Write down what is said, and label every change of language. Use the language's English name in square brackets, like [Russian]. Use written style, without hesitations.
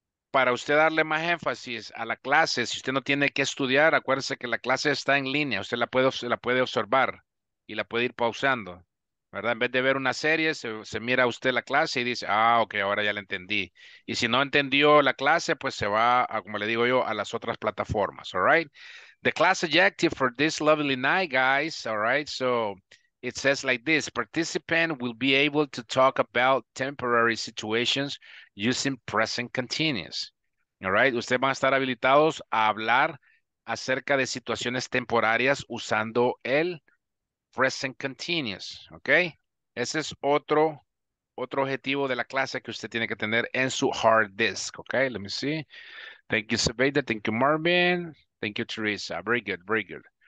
[Spanish] Para usted darle más énfasis a la clase, si usted no tiene que estudiar, acuérdese que la clase está en línea, usted la puede observar y la puede ir pausando, ¿verdad? En vez de ver una serie, se mira usted la clase y dice, ah, ok, ahora ya la entendí. Y si no entendió la clase, pues se va, a, como le digo yo, a las otras plataformas, all right? [English] The class objective for this lovely night, guys, all right? So it says like this, participant will be able to talk about temporary situations using present continuous, all right? [Spanish] Ustedes van a estar habilitados a hablar acerca de situaciones temporarias usando el present continuous, ¿ok? Ese es otro objetivo de la clase que usted tiene que tener en su hard disk, ¿ok? [English] Let me see. Thank you, Sebeda. Thank you, Marvin. Thank you, Teresa. Very good, very good.